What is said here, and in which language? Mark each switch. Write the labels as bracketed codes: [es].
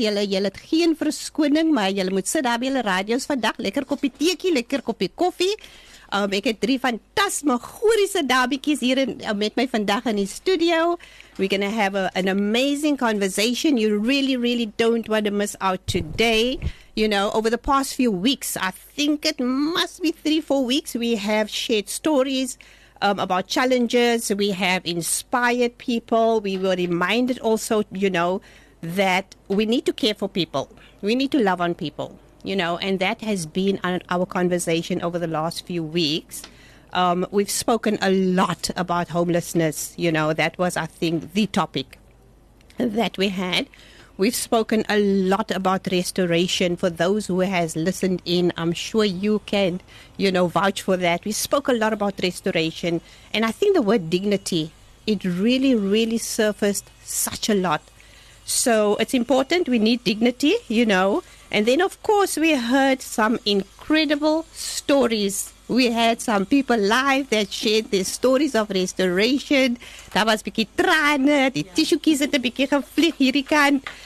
[af] Julle het geen verskoning, maar julle moet sit daar by julle radio's vandag. Lekker koppie teekie, lekker koppie koffie. Ek het drie fantasmagoriese dametjies hier in, met my vandag in die studio. [en] We're going to have an amazing conversation. You really, really don't want to miss out today. You know, over the past few weeks, I think it must be 3-4 weeks, we have shared stories about challenges. We have inspired people. We were reminded also, you know, that we need to care for people. We need to love on people. You know, and that has been our conversation over the last few weeks. We've spoken a lot about homelessness. You know, that was, I think, the topic that we had. We've spoken a lot about restoration. For those who has listened in, I'm sure you can, you know, vouch for that. We spoke a lot about restoration. And I think the word dignity, it really, really surfaced such a lot. So it's important. We need dignity, you know. And then, of course, we heard some incredible stories. We had some people live that shared their stories of restoration. [af] Daar was 'n bietjie trane, die tissuekies het 'n bietjie gevlieg hierdie kant.